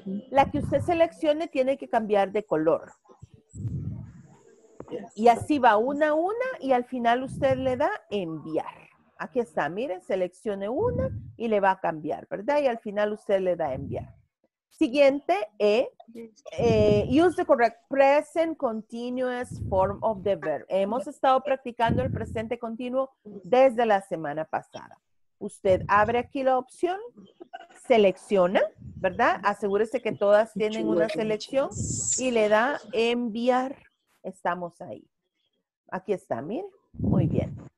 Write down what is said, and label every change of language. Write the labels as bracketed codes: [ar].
[es] La que usted seleccione tiene que cambiar de color. Y así va una a una y al final usted le da enviar. Aquí está, miren, seleccione una y le va a cambiar, ¿verdad? Y al final usted le da enviar. Siguiente, E. [en] Use the correct present continuous form of the verb. [es] Hemos estado practicando el presente continuo desde la semana pasada. Usted abre aquí la opción, selecciona, ¿verdad? Asegúrese que todas tienen una selección y le da enviar. Estamos ahí. Aquí está, mire. Muy bien.